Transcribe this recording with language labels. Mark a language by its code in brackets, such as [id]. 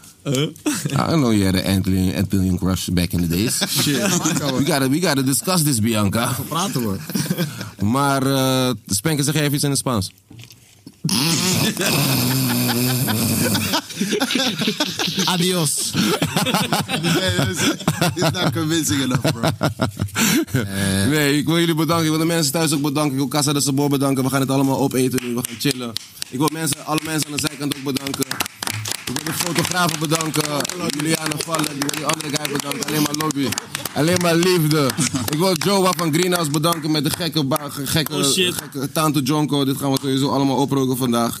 [en] I don't know, you had an Antillian crush back in the days. Shit. We gotta discuss this, Bianca. [nl] Praten, man. Maar, Spenker, zeg jij even iets in het Spaans? Adios. [en] Nee, is not convincing enough, bro. [nl] Nee, ik wil jullie bedanken. Ik wil de mensen thuis ook bedanken. Ik wil Casa de Sabor bedanken. We gaan het allemaal opeten. We gaan chillen. Ik wil alle mensen aan de zijkant ook bedanken. Ik wil de fotografen bedanken, Juliana Vallen, ik wil die andere guy bedanken, alleen maar lobby, alleen maar liefde. Ik wil Joa van Greenhouse bedanken met de gekke Tante Jonko, dit gaan we sowieso allemaal oproken vandaag.